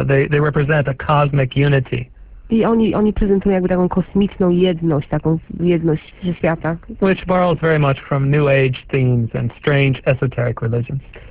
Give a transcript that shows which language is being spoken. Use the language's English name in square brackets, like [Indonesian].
[English] They represent a cosmic unity. [Polish] I oni prezentują jakby taką kosmiczną jedność, taką jedność ze świata. [English] Which borrows very much from New Age themes and strange esoteric religions.